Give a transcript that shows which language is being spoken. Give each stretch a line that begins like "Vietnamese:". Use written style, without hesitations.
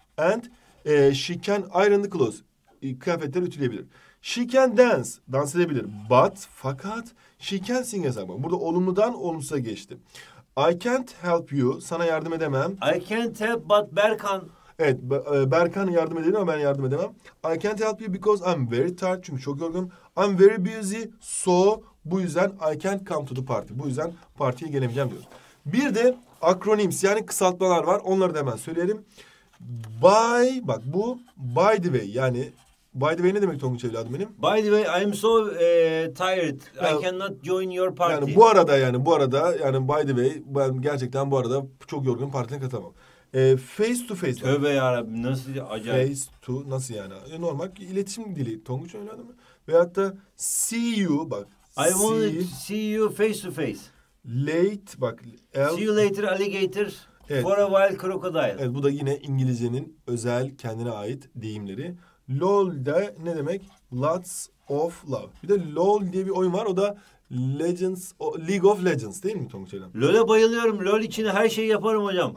English: And she can iron the clothes.
Turkish: Kıyafetleri ütüleyebilir.
English: She can dance.
Turkish: Dans edebilir.
English: But,
Turkish: fakat
English: she can sing as well.
Turkish: Burada olumludan olumsuza geçti.
English: I can't help you.
Turkish: Sana yardım edemem.
English: I can't help but Berkan.
Turkish: Evet, Berkan yardım edelim ama ben yardım edemem.
English: I can't help you because I'm very tired.
Turkish: Çünkü çok yorgunum.
English: I'm very busy. So,
Turkish: bu yüzden
English: I can't come to the party.
Turkish: Bu yüzden partiye gelemeyeceğim diyoruz. Bir de acronyms, yani kısaltmalar var. Onları da hemen söyleyelim. By, bak bu by the way, yani by the way ne demek Tonguç evladım benim?
English: By the way, I'm so tired.
Turkish: Yani,
English: I cannot join your party.
Turkish: Yani bu arada, yani bu arada, yani by the way, ben gerçekten bu arada çok yorgunum, partiye katamam.
English: Face to face.
Turkish: Tövbe ya Rabbi, nasıl acayip. Face to, nasıl yani? Normal iletişim dili Tonguç evladım. Veyahut da
English: see you,
Turkish: bak.
English: I want to see you face to face. Late,
Turkish: bak.
English: See you later alligator.
Turkish: Evet.
English: For a while crocodile.
Turkish: Evet, bu da yine İngilizcenin özel kendine ait deyimleri. LOL de ne demek?
English: Lots of love.
Turkish: Bir de LOL diye bir oyun var. O da Legends, o League of Legends değil mi Tonguç Eylem? LOL'e bayılıyorum. LOL için her şeyi yaparım hocam.